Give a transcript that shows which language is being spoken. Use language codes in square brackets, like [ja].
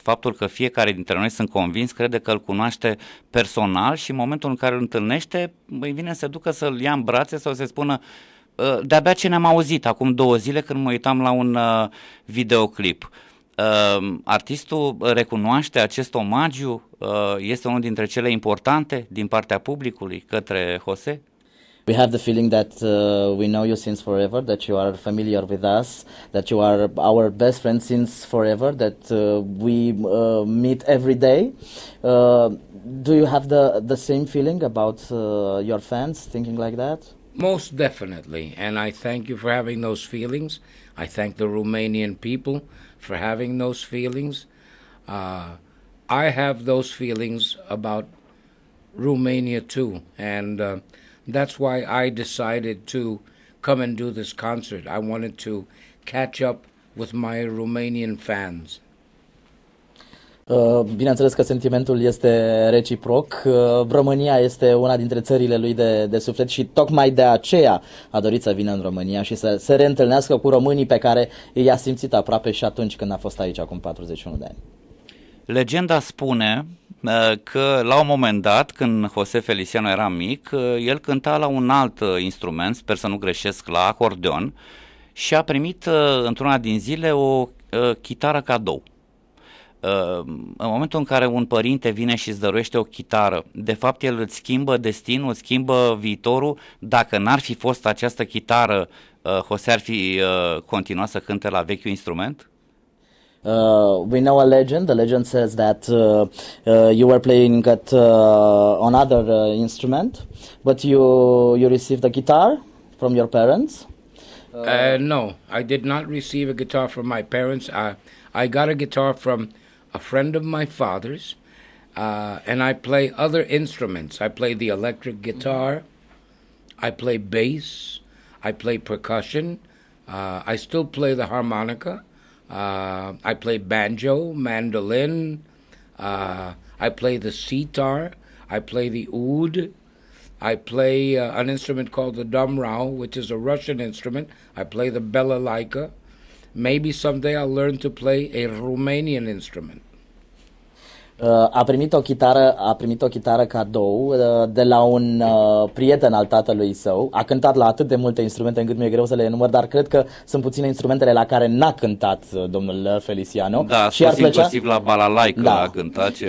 [ro] Faptul că fiecare dintre noi, sunt convins, crede că îl cunoaște personal și în momentul în care îl întâlnește, îi vine să ducă să-l ia în brațe sau să-i spună de-abia ce ne-am auzit acum două zile când mă uitam la un videoclip. Artistul recunoaște acest omagiu? Este unul dintre cele importante din partea publicului către Jose? [en] We have the feeling that we know you since forever, that you are familiar with us, that you are our best friend since forever, that we meet every day. Do you have the same feeling about your fans thinking like that? Most definitely. And I thank you for having those feelings. I thank the Romanian people for having those feelings. I have those feelings about Romania too. And that's why I decided to come and do this concert. I wanted to catch up with my Romanian fans. [ro] Bineînțeles că sentimentul este reciproc. România este una dintre țările lui de suflet și tocmai de aceea a dorit să vină în România și să se reîntâlnească cu românii pe care i-a simțit aproape și atunci când a fost aici acum 41 de ani. Legenda spune că la un moment dat, când José Feliciano era mic, el cânta la un alt instrument, sper să nu greșesc, la acordeon, și a primit într-una din zile o chitară cadou. În momentul în care un părinte vine și îți dăruiește o chitară, de fapt el îți schimbă destinul, îți schimbă viitorul. Dacă n-ar fi fost această chitară, José ar fi continuat să cânte la vechiul instrument? [en] We know a legend. The legend says that you were playing at another instrument, but you received a guitar from your parents. No, I did not receive a guitar from my parents. I got a guitar from a friend of my father's, and I play other instruments. I play the electric guitar, I play bass, I play percussion, I still play the harmonica. I play banjo, mandolin, I play the sitar, I play the oud, I play an instrument called the dumrau, which is a Russian instrument, I play the balalaika. Maybe someday I'll learn to play a Romanian instrument. [ro] A primit o chitară cadou de la un prieten al tatălui său. A cântat la atât de multe instrumente încât mi-e greu să le număr, dar cred că sunt puține instrumentele la care n-a cântat domnul Feliciano. Da, și ar plăcea, inclusiv la balalaică, da, a cântat, ce